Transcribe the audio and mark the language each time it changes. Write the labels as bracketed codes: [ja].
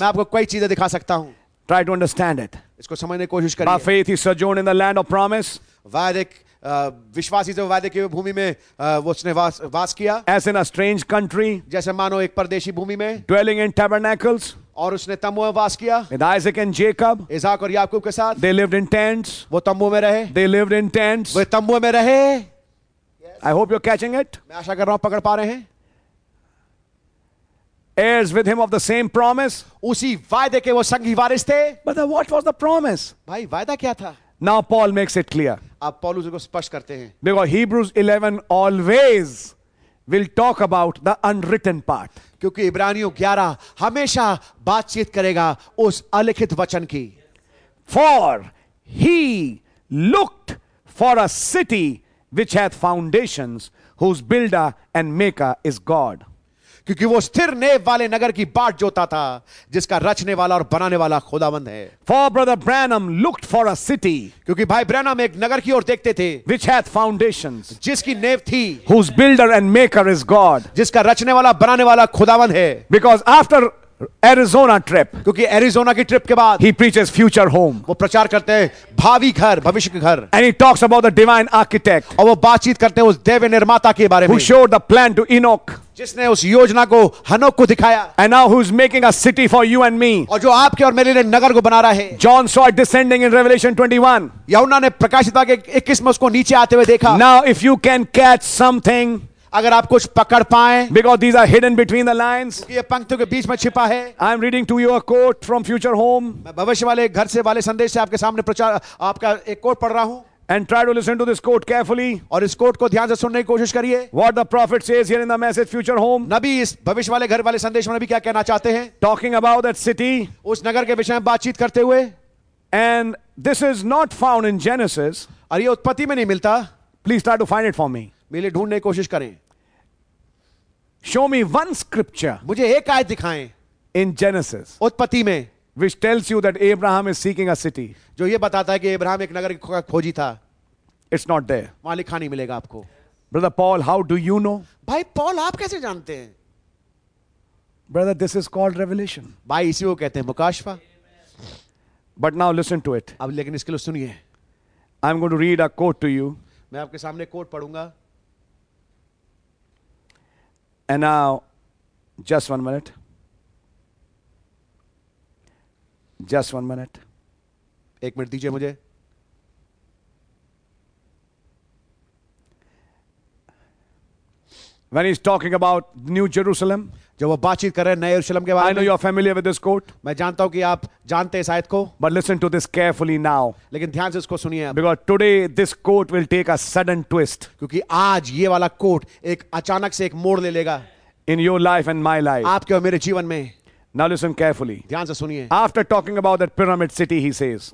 [hi] मैं आपको कई चीजें दिखा सकता हूँ. [en] Try to understand it. [hi] इसको समझने की कोशिश करिए. [en] By faith he sojourned in the land of promise. [hi] वायदे विश्वासी थे. वायदे की भूमि में उसने वास किया. [en] As in a strange country. [hi] जैसे मानो एक परदेशी भूमि में. [en] Dwelling in tabernacles. [hi] और उसने तम्बू में वास किया. [en] With Isaac and Jacob. [hi] इसहाक और याकूब के साथ. [en] They lived in tents. [hi] वो तम्बू में रहे. [en] They lived in tents. [hi] वे तम्बू में रहे. [en] I hope you're catching it. [hi] मैं आशा कर रहा हूँ पकड़ पा रहे हैं. [en] Heirs with him of the same promise. [hi] उसी वायदे के वो संगी वारिस थे. [en] But then what was the promise? [hi] भाई वायदा क्या था? [en] Now Paul makes it clear. [hi] अब पॉल उसको स्पष्ट करते हैं. [en] Because Hebrews 11 always will talk about the unwritten part. [hi] क्योंकि इब्रानियों 11 हमेशा बातचीत करेगा उस अलिखित वचन की. [en] For he looked for a city. Which hath foundations, whose builder and maker is God. [hi] क्योंकि वो स्थिर नेव वाले नगर की बाट जोता था, जिसका रचने वाला और बनाने वाला खुदावंद है. [en] For brother Branham looked for a city. [hi] क्योंकि भाई ब्रैनम एक नगर की ओर देखते थे. [en] Which hath foundations, [hi] जिसकी नेव थी. [en] Whose builder and maker is God. [hi] जिसका रचने वाला बनाने वाला खुदावंद है. [en] Because after Arizona trip. [hi] क्योंकि Arizona की trip के बाद. [en] He preaches future home. [hi] वो प्रचार करते हैं भावी घर, भविष्य के घर. [en] And he talks about the divine architect. [hi] और वो बातचीत करते हैं उस देव निर्माता के बारे में. [en] Who showed the plan to Enoch. [hi] जिसने उस योजना को हनोक को दिखाया. [en] And now who's making a city for you and me. [hi] और जो आपके और मेरे लिए नगर को बना रहा है. [en] John saw it descending in Revelation 21. [hi] यूहन्ना ने प्रकाशित वाक्य 21 में उसको नीचे आते हुए देखा. [en] Now if you can catch something. [hi] अगर आप कुछ पकड़ पाए. [en] Because these are hidden between the lines. [hi] ये पंक्तियों के बीच में छिपा है. [en] I am reading to you a quote from future home. [hi] मैं भविष्य वाले घर से वाले संदेश से आपके सामने प्रचार आपका एक कोट पढ़ रहा हूँ. [en] And try to listen to this quote carefully. [hi] और इस कोट को ध्यान से सुनने की कोशिश करिए. [en] What the prophet says here in the message future home. [hi] नबी इस भविष्य वाले घर वाले संदेश में नबी क्या कहना चाहते हैं. [en] Talking about that city. [hi] उस नगर के विषय में बातचीत करते हुए. [en] And this is not found in Genesis. [hi] और ये उत्पत्ति में नहीं मिलता. [en] Please try to find it for me. [hi] मेरे ढूंढने की कोशिश करें. [en] Show me one scripture. [hi] मुझे एक आयत दिखाएं. [en] in Genesis. [hi] उत्पत्ति में. [en] Which tells you that Abraham is seeking a city. [hi] जो ये बताता है कि अब्राहम एक नगर का खोजी था. [en] It's not there. [hi] वहाँ लिखा नहीं मिलेगा आपको. [en] Brother Paul, how do you know? [hi] भाई पॉल आप कैसे जानते हैं? [en] Brother, this is called revelation. [hi] भाई इसी को कहते हैं मुकाशफा. [en] But now listen to it. [hi] अब लेकिन इसके लिए सुनिए. [en] I'm going to read a quote to you. [hi] मैं आपके सामने कोट पढ़ूंगा. [en] And now, just one minute. Just one minute. [hi] एक मिनट दीजिए मुझे. [en] When he's talking about New Jerusalem, [hi] जब वो बातचीत कर रहे हैं नए यरूशलम के बारे में. [en] I know you're familiar with this quote. [hi] मैं जानता हूँ कि आप जानते हैं शायद को. [en] But listen to this carefully now. [hi] लेकिन ध्यान से इसको सुनिए. [en] Because today this quote will take a sudden twist. [hi] क्योंकि आज ये वाला कोट एक अचानक से एक मोड़ ले लेगा. [en] In your life and my life. [hi] आपके और मेरे जीवन में. [en] Now listen carefully. [hi] ध्यान से सुनिए. [en] After talking about that pyramid city, he says.